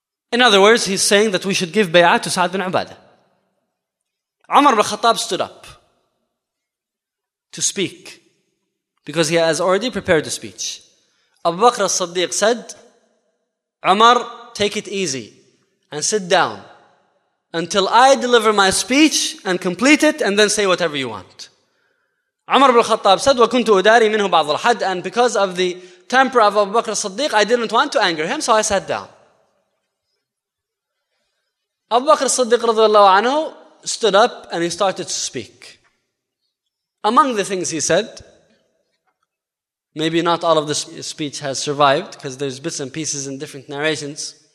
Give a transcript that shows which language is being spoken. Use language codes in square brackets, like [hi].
[en] In other words, he's saying that we should give bay'ah to Sa'd bin Ubadah. Umar bin Khattab stood up to speak because he has already prepared a speech. Abu Bakr as-Siddiq said, Umar, take it easy and sit down until I deliver my speech and complete it and then say whatever you want. Umar bin Khattab said, [ar] وَكُنْتُ أُدَارِي مِنْهُ بَعْضُ الْحَدِ. [en] And because of the temper of Abu Bakr as-Siddiq, I didn't want to anger him, so I sat down. Abu Bakr as-Siddiq radiallahu anhu stood up and he started to speak. Among the things he said, maybe not all of the speech has survived because there's bits and pieces in different narrations.